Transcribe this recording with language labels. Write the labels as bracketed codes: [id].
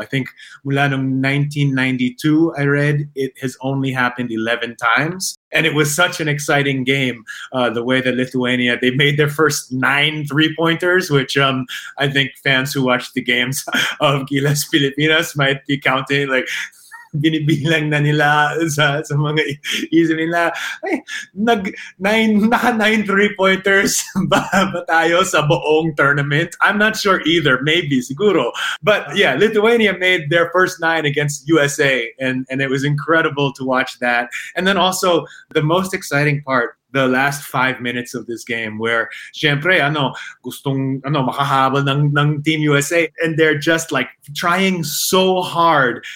[en] I think [tl] mula nung [en] 1992, I read, it has only happened 11 times. And it was such an exciting game, the way that Lithuania, they made their first 9 3-pointers, which I think fans who watched the games of Gilas Pilipinas might be counting, like, [tl] binibilang na nila sa mga isip nila, ay, naka-9 three-pointers ba tayo sa buong tournament? [en] I'm not sure either. Maybe, [tl] siguro. [en] But yeah, Lithuania made their first 9 against USA, and it was incredible to watch that. And then also, the most exciting part, the last 5 minutes of this game where, [tl] syempre, ano, gustong, ano, makahabol ng Team USA, [en] and they're just like trying so hard.